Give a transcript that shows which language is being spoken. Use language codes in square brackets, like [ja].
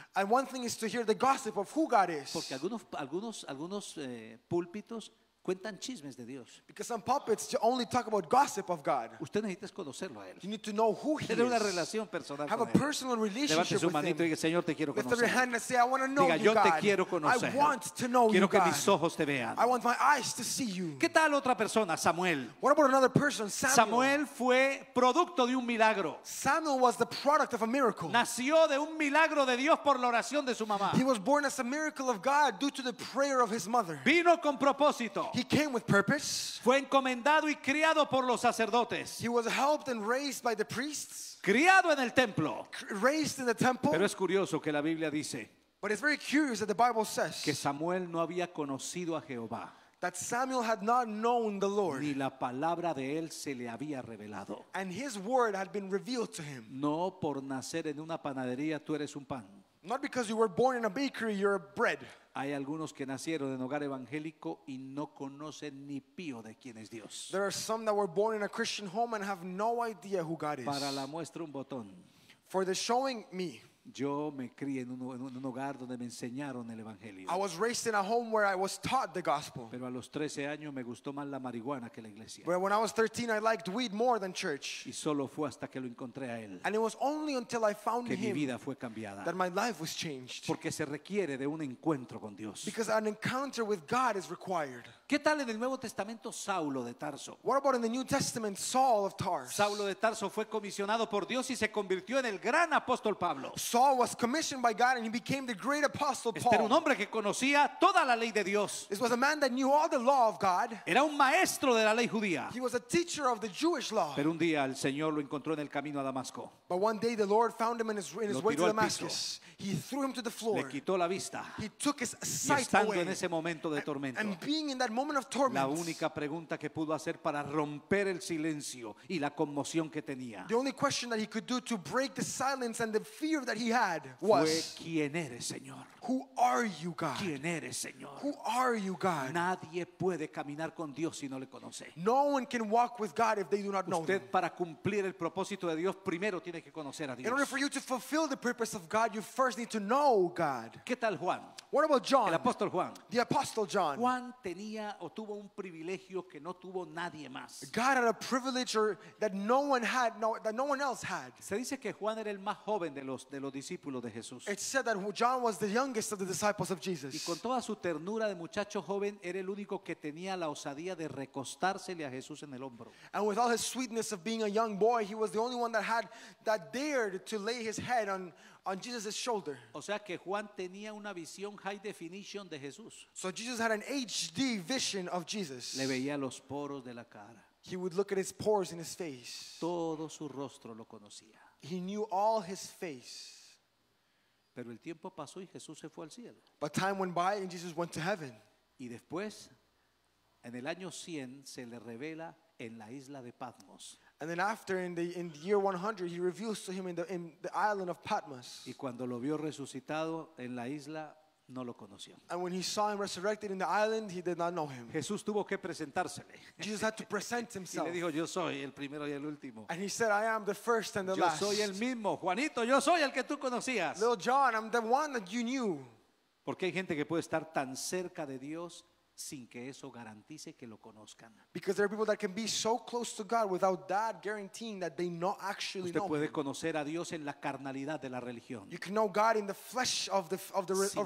[en] And one thing is to hear the gossip of who God is. [es] Porque algunos púlpitos cuentan chismes de Dios. [en] Because some pulpits only talk about gossip of God. [es] Usted necesita conocerlo a él. [en] You need to know who he is. [es] Tener una relación personal. [en] Have a personal relationship with him. [es] Levante su manito y diga, Señor, te quiero conocer. [en] Lift your hand and say, I want to know you, God. [es] Diga, yo te quiero conocer. [en] I want to know you, God. [es] Quiero que mis ojos te vean. [en] I want my eyes to see you. [es] ¿Qué tal otra persona, Samuel? [en] What about another person, Samuel? [es] Samuel fue producto de un milagro. [en] Samuel was the product of a miracle. [es] Nació de un milagro de Dios por la oración de su mamá. [en] He was born as a miracle of God due to the prayer of his mother. [es] Vino con propósito. [en] He came with purpose. [es] Fue encomendado y criado por los sacerdotes. [en] He was helped and raised by the priests. [es] Criado en el templo. [en] Raised in the temple. [es] Pero es curioso que la Biblia dice. [en] But it's very curious that the Bible says. [es] Que Samuel no había conocido a Jehová. [en] That Samuel had not known the Lord. [es] Ni la palabra de él se le había revelado. [en] And his word had been revealed to him. [es] No por nacer en una panadería tú eres un pan. [en] Not because you were born in a bakery, you're a bread. [es] Hay algunos que nacieron en hogar evangélico y no conocen ni pío de quién es Dios. [en] There are some that were born in a Christian home and have no idea who God is. [es] Para la muestra un botón. [en] For the showing me. [es] Yo me crié en un hogar donde me enseñaron el evangelio. [en] I was raised in a home where I was taught the gospel. [es] Pero a los 13 años me gustó más la marihuana que la iglesia. [en] But when I was 13, I liked weed more than church. [es] Y solo fue hasta que lo encontré a él. [en] And it was only until I found him. [es] Que mi vida fue cambiada. [en] That my life was changed. [es] Porque se requiere de un encuentro con Dios. [en] Because an encounter with God is required. [es] ¿Qué tal en el Nuevo Testamento Saulo de Tarso? [en] What about in the New Testament Saul of Tarsus? [es] Saulo de Tarso fue comisionado por Dios y se convirtió en el gran apóstol Pablo. [en] Saul was commissioned by God and he became the great apostle Paul. [es] Era un hombre que conocía toda la ley de Dios. [en] This was a man that knew all the law of God. [es] Era un maestro de la ley judía. [en] He was a teacher of the Jewish law. [es] Pero un día el Señor lo encontró en el camino a Damasco. [en] But one day the Lord found him in his way to Damascus. He threw him to the floor. [es] Le quitó la vista. [en] He took his sight away. [es] Y estando en ese momento de tormento. [en] And being in that moment of torment. [es] La única pregunta que pudo hacer para romper el silencio y la conmoción que tenía. [en] The only question that he could do to break the silence and the fear that he had was, [es] fue quién eres, Señor. [en] Who are you, God? [es] ¿Quién eres, Señor? [en] Who are you, God? [es] Nadie puede caminar con Dios si no le conoce. [en] No one can walk with God if they do not know [es] usted [en] him. [es] Para cumplir el propósito de Dios, primero tiene que conocer a Dios. [en] In order for you to fulfill the purpose of God, you first need to know God. [es] ¿Qué tal Juan? [en] What about John? [es] El apóstol Juan. [en] The apostle John. [es] Juan tenía o tuvo un privilegio que no tuvo nadie más. [en] God had a privilege that no one had, that no one else had. [es] Se dice que Juan era el más joven de los discípulos de Jesús. [en] It said that John was the youngest of the disciples of Jesus. [es] Y con toda su ternura de muchacho joven, era el único que tenía la osadía de recostársele a Jesús en el hombro. [en] And with all his sweetness of being a young boy, he was the only one that dared to lay his head on Jesus' shoulder. [es] O sea que Juan tenía una visión [en] high definition [es] de Jesús. [en] So Jesus had an HD vision of Jesus. [es] Le veía los poros de la cara. [en] He would look at his pores in his face. [es] Todo su rostro lo conocía. [en] He knew all his face. [es] Pero el tiempo pasó y Jesús se fue al cielo. [en] But time went by and Jesus went to heaven. [es] Y después, en el año 100, se le revela en la isla de Patmos. [en] And then after, in the year 100, he reveals to him in the island of Patmos. [es] Y cuando lo vio resucitado en la isla, no lo conoció. [en] And when he saw him resurrected in the island, he did not know him. [es] Jesús tuvo que presentársele. [en] Jesus had to present himself. [es] Y le dijo, yo soy el primero y el último. [en] And he said, I am the first and the [es] yo [en] last. [es] Yo soy el mismo, Juanito, yo soy el que tú conocías. [en] Little John, I'm the one that you knew. [es] Porque hay gente que puede estar tan cerca de Dios sin que eso garantice que lo conozcan. [en] Because there are people that can be so close to God without that guaranteeing that they not actually know. [es] Usted puede conocer a Dios en la carnalidad de la religión. [en] You can know God in the flesh of religion.